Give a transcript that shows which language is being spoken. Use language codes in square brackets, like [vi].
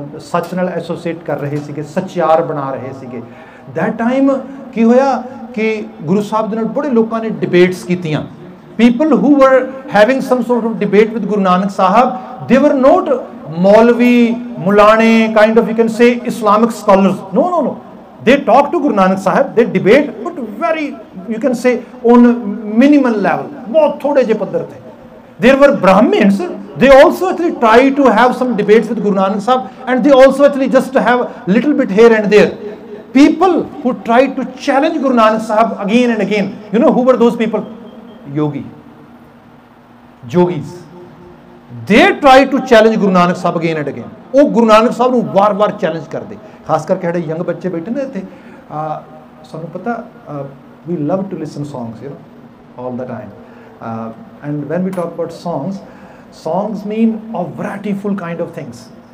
[pa] ਸੱਚ ਨਾਲ ਐਸੋਸੀਏਟ ਕਰ ਰਹੇ ਸੀਗੇ [en] ਸੱਚਿਆਰ ਬਣਾ ਰਹੇ ਸੀਗੇ ਦੈਟ ਟਾਈਮ [pa] ਕੀ ਹੋਇਆ ਕਿ ਗੁਰੂ ਸਾਹਿਬ ਦੇ ਨਾਲ ਬੜੇ ਲੋਕਾਂ ਨੇ ਡਿਬੇਟਸ ਕੀਤੀਆਂ [en] People who were having some sort of debate with Guru Nanak Sahib ਦੇ were not maulvi ਮੁਲਾਣੇ kind of you can say Islamic scholars no no no They talk to Guru Nanak Sahib, they debate, but very, you can say, on a minimal level. [pa] Bahut thode je paddar the. [en] There were Brahmins, they also actually try to have some debates with Guru Nanak Sahib, and they also actually just have a little bit here and there. People who tried to challenge Guru Nanak Sahib again and again, you know who were those people? Yogi. Yogis. They tried to challenge Guru Nanak Sahib again and again. [pa] ਉਹ ਗੁਰੂ ਨਾਨਕ ਸਾਹਿਬ ਨੂੰ ਵਾਰ ਵਾਰ challenge ਕਰਦੇ ਖਾਸ ਕਰਕੇ ਸਾਡੇ young ਬੱਚੇ ਬੈਠੇ ਨੇ ਇੱਥੇ ਸਾਨੂੰ ਪਤਾ ਵੀ [en] love to listen songs you know all the time and when we talk about songs songs mean a varietyful kind of things